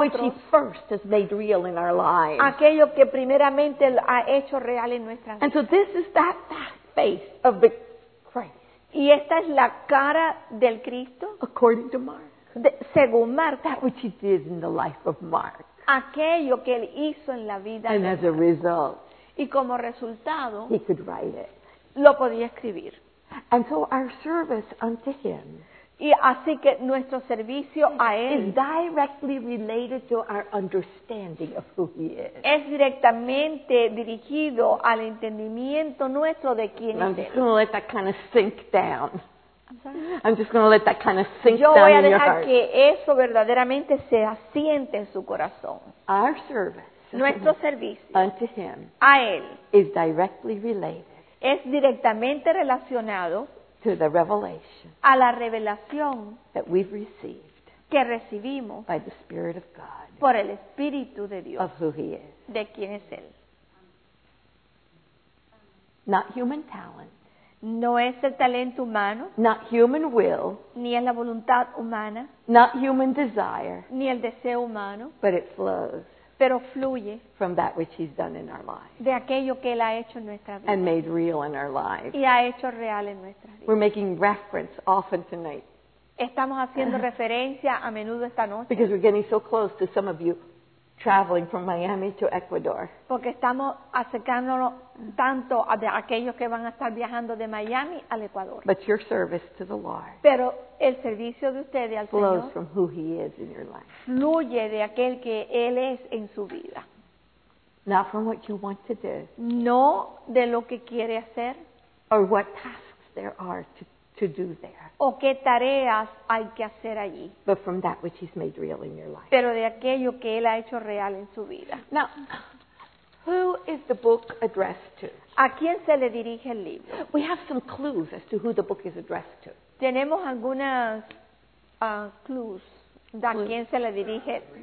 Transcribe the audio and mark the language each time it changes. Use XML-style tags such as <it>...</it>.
<en>which he first has made real in our lives.</en> <es>Aquello que primeramente ha hecho real en nuestras vidas.</es> <en>And so this is that face of the Christ.</en> <es>Y esta es la cara del Cristo.</es> <en>According to Mark.</en> <es>Según Mark.</es> <en>That which he did in the life of Mark.</en> <es>Aquello que él hizo en la vida.</es> <en>And</en> <es>de</es> <en>as a result.</en> <es>Y como resultado.</es> <en>He could write it.</en> <es>Lo podía escribir.</es> <en>And so our service unto him.</en> <es>Y así que nuestro servicio a él</es> <en>is directly related to our understanding of who he is.</en> <es>Es directamente dirigido al entendimiento nuestro de quién es él.</es> <en>I'm just going to let that kind of sink down. I'm sorry. I'm just going to let that kind of sink</en> <es>yo</es> <en>down</en> <es>voy a</es> <en>in</en> <es>dejar</es> <en>your heart.</en> <es>Que eso verdaderamente se asiente en su corazón.</es> <en>Our service</en> <es>nuestro servicio</es> <en>unto him</en> <es>a él</es> <en>is directly related.</en> <es>Es directamente relacionado</es> <en>to the revelation</en> <es>a la revelación</es> <en>that we've received</en> <es>que recibimos</es> <en>by the Spirit of God</en> <es>por el Espíritu de Dios</es> <en>of who he is.</en> <es>De quién es él.</es> <en>Not human talent.</en> <es>No es el talento humano.</es> <en>Not human will.</en> <es>Ni es la voluntad humana.</es> <en>Not human desire.</en> <es>Ni el deseo humano.</es> <en>But it flows</en> <es>pero fluye</es> <en>from that which he's done in our lives.</en> <es>De aquello que él ha hecho en nuestra vida.</es> <en>And made real in our lives.</en> <es>Y ha hecho real en nuestra vida.</es> <en>We're making reference often tonight.</en> <es>Estamos haciendo referencia a menudo esta noche.</es> <en>Because we're getting so close to some of you traveling from Miami to Ecuador.</en> <es>Porque estamos acercándonos tanto a aquellos que van a estar viajando de Miami al Ecuador.</es> <en>But your service to the Lord.</en> <es>Pero el servicio de ustedes al Señor</es> <en>flows from who he is in your life.</en> <es>Fluye de aquel que él es en su vida.</es> <en>Not from what you want to do.</en> <es>No de lo que quiere hacer.</es> <en>Or what tasks there are to do there.</en> <es>O qué tareas hay que hacer allí.</es> <en>But from that which he's made real in your life.</en> <es>Pero de aquello que él ha hecho real en su vida.</es> <en>Now, who is the book addressed to?</en> <es>¿A quién se le dirige el libro?</es> <en>We have some clues as to who the book is addressed to.</en> <es>Tenemos algunas clues de a quién se le dirige.</es>